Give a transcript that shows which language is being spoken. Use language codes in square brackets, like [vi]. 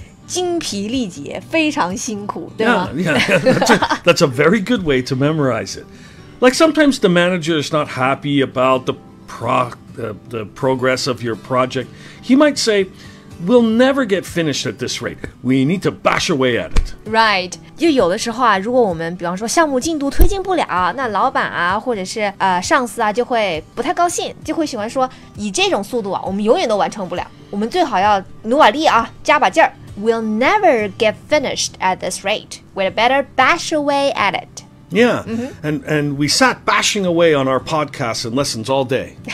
[zh] 精疲力竭，非常辛苦，对吗？ [en] That's a very good way to memorize it. Like sometimes the manager is not happy about the progress of your project. He might say, "We'll never get finished at this rate. We need to bash away at it." Right. [zh] 就有的时候啊，如果我们比方说项目进度推进不了，那老板啊，或者是上司啊，就会不太高兴，就会喜欢说，以这种速度啊，我们永远都完成不了。我们最好要努把力啊，加把劲儿。 [en] We'll never get finished at this rate. We'd better bash away at it. Yeah,and we sat bashing away on our podcasts and lessons all day.